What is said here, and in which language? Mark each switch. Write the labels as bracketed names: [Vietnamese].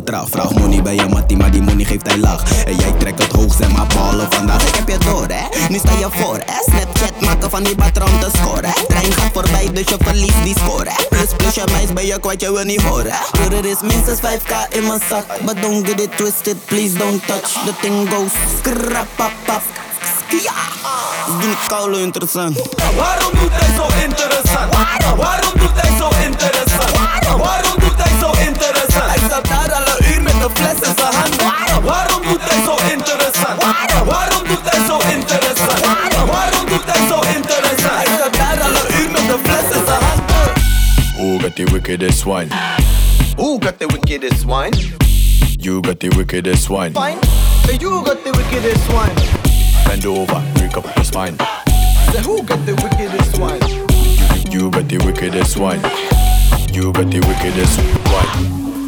[Dutch] Vraag money bij je mattie, maar die money geeft hij lach. En jij trekt het hoog, zeg maar ballen vandaag. Ik heb je door, hè? Nu sta je voor, hè? Snapchat maken van die patroon te scoren. Trein gaat voorbij, dus je verliest die score. Plus, plus, je meis ben je kwijt, je wil niet horen. Hier, er is minstens 5k in mijn zak. [English] But don't get it twisted, please don't touch. The thing goes skrapapap. Ja! [Dutch] Doe het koude interessant. Waarom doet hij zo interessant? Waarom doet hij zo interessant? Waarom doet hij zo interessant? Hij staat daar al een uur met een fles in zijn hand. Waarom doet hij zo interessant? Waarom doet hij zo interessant? Waarom doet hij zo interessant? Hij staat daar al een uur met een fles in zijn hand. [English] Oh, got the wickedest wine. Oh, got the wickedest wine. You got the wickedest wine. Fine. You got the wickedest wine. Bend over, break up your spine. The who got the wickedest wine? You got the wickedest wine. You got the wickedest wine.